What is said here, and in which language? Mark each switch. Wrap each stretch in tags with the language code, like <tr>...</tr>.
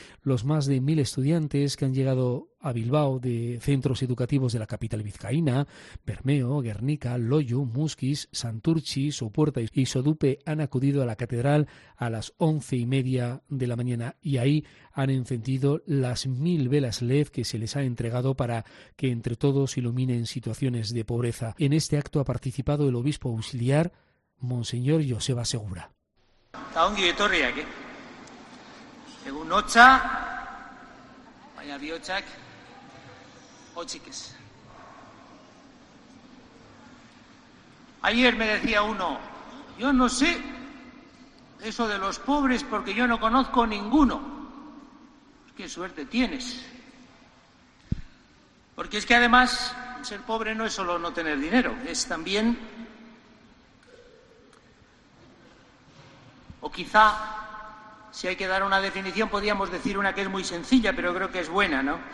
<es>Los más de 1.000 estudiantes que han llegado a Bilbao de centros educativos de la capital vizcaína, Bermeo, Guernica, Loyu, Musquis, Santurchi, Sopuerta y Sodupe han acudido a la catedral a las 11:30 de la mañana y ahí han encendido las 1.000 velas LED que se les ha entregado para que entre todos iluminen situaciones de pobreza. En este acto ha participado el obispo auxiliar Monseñor Joseba Segura.</es> <eu>Eta ongi etorriak, eh? Egun hotza, baina bihotzak hotzik ez.</eu> <es>Ayer me decía uno, yo no sé eso de los pobres porque yo no conozco ninguno. Qué suerte tienes. Porque es que además ser pobre no es solo no tener dinero, es también o quizá, si hay que dar una definición, podríamos decir una que es muy sencilla, pero creo que es buena, ¿no?</es>